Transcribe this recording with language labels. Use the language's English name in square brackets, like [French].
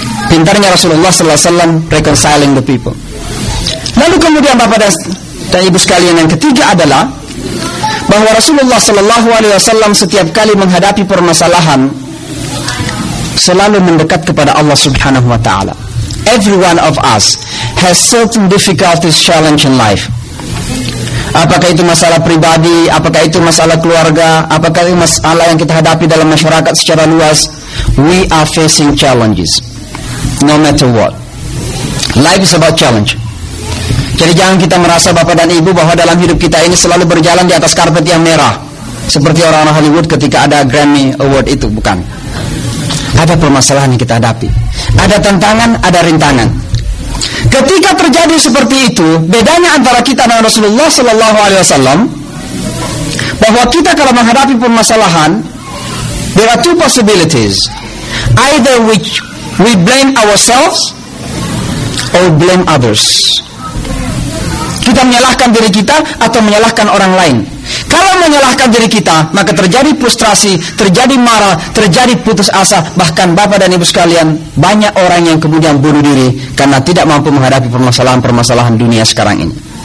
[Indonesian] Pintarnya Rasulullah sallallahu alaihi wasallam [English] reconciling the people. [Indonesian] Lalu kemudian Bapak dan Ibu sekalian, yang ketiga adalah bahwa Rasulullah sallallahu alaihi wasallam setiap kali menghadapi permasalahan selalu mendekat kepada Allah subhanahu wa ta'ala. [English] Every one of us has certain difficulties, challenge in life. [Indonesian] Apakah itu masalah pribadi, apakah itu masalah keluarga, apakah itu masalah yang kita hadapi dalam masyarakat secara luas. [English] We are facing challenges no matter what. Life is about challenge. [Indonesian] Jadi jangan kita merasa Bapak dan Ibu bahwa dalam hidup kita ini selalu berjalan di atas karpet yang merah seperti orang-orang Hollywood ketika ada Grammy Award itu. Bukan. Ada permasalahan yang kita hadapi, ada tantangan, ada rintangan. Ketika terjadi seperti itu, bedanya antara kita dan Rasulullah sallallahu alaihi wasallam bahwa kita kalau menghadapi permasalahan, [English] there are two possibilities. Either which we blame ourselves or blame others. [Indonesian] Kita menyalahkan diri kita atau menyalahkan orang lain. Kalau menyalahkan diri kita, maka terjadi frustrasi, terjadi marah, terjadi putus asa. Bahkan Bapak dan Ibu sekalian, banyak orang yang kemudian bunuh diri karena tidak mampu menghadapi permasalahan-permasalahan dunia sekarang ini.